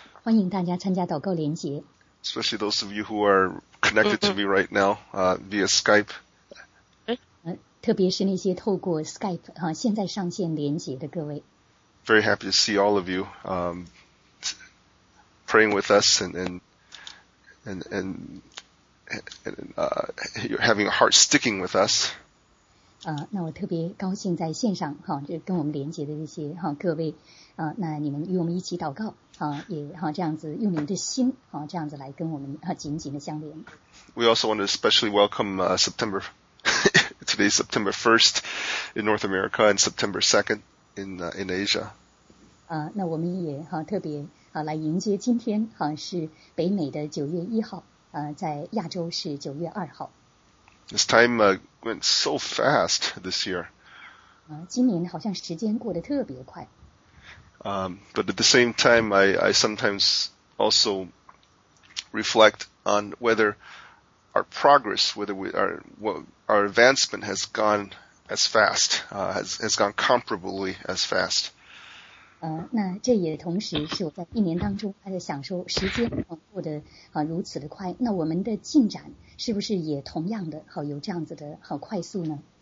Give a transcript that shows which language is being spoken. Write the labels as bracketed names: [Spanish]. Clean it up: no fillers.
[Chinese] 欢迎大家参加祷告连结。 [English] Especially those of you who are connected to me right now, via Skype. [Chinese] 特别是那些透过 Skype, 现在上线连结的各位。 [English] Very happy to see all of you, praying with us and having a heart sticking with us. [Chinese] 那我特别高兴在线上就跟我们连结的那些各位那你们与我们一起祷告也这样子用你们的心这样子来跟我们紧紧的相连。 [English] We also want to especially welcome September, today is September 1st in North America and September 2nd in Asia. [Chinese] 那我们也特别来迎接今天是北美的9月1号在亚洲是9月2号。 [English] This time went so fast this year. [Chinese] 今年好像时间过得特别快。 [English] But at the same time, I sometimes also reflect on whether our progress, whether our advancement has gone as fast, has gone comparably as fast. [Chinese] 那这也同时是我在一年当中在想说时间过得如此的快，那我们的进展是不是也同样的有这样子的快速呢？